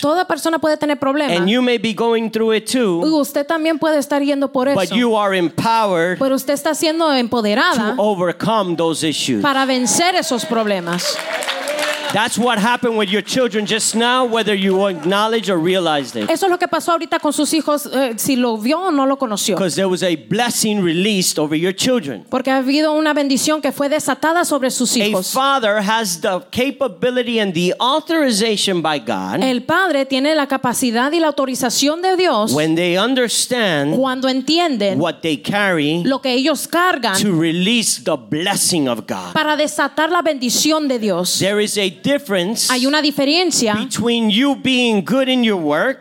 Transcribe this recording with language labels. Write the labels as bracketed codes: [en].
[es] Toda persona puede tener problemas. [en] And you may be going through it too. [es] Usted también puede estar yendo por eso. [en] But you are empowered. [es] Pero usted está siendo empoderada. [en] To overcome those issues. [es] Para vencer esos problemas. [en] That's what happened with your children just now, whether you acknowledge or realized it. [es] Eso es lo que pasó ahorita con sus hijos, si lo vio o no lo conoció. [en] Because there was a blessing released over your children. [es] Porque ha habido una bendición que fue desatada sobre sus hijos. [en] A father has the capability and the authorization by God. [es] El padre tiene la capacidad y la autorización de Dios. [en] When they understand, [es] cuando entienden, [en] what they carry, [es] lo que ellos cargan, [en] to release the blessing of God. [es] Para desatar la bendición de Dios. [en] There is a difference. [es] Hay una diferencia [en] between you being good in your work,